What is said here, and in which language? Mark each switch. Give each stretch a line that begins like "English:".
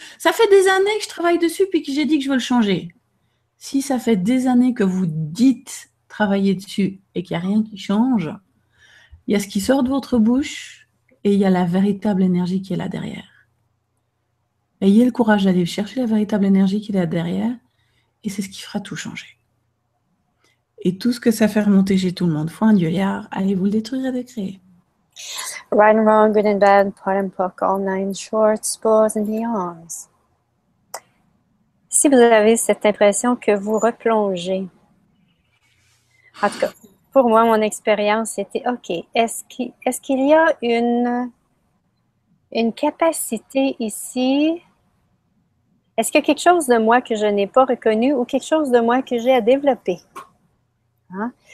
French: Ça fait des années que je travaille dessus puis que j'ai dit que je veux le changer. Si ça fait des années que vous dites travailler dessus et qu'il n'y a rien qui change, il y a ce qui sort de votre bouche et il y a la véritable énergie qui est là derrière. Ayez le courage d'aller chercher la véritable énergie qui est là derrière et c'est ce qui fera tout changer. Et tout ce que ça fait remonter chez tout le monde, foi en Dieu, allez-vous le détruire et le créer.
English: Right and wrong, good and bad, pot and pock, all nine shorts, spores and beyonds.
French: Si vous avez cette impression que vous replongez, en tout cas, pour moi, mon expérience était, OK, est-ce qu'il y a une capacité ici? Est-ce qu'il y a quelque chose de moi que je n'ai pas reconnu ou quelque chose de moi que j'ai à développer? Hein?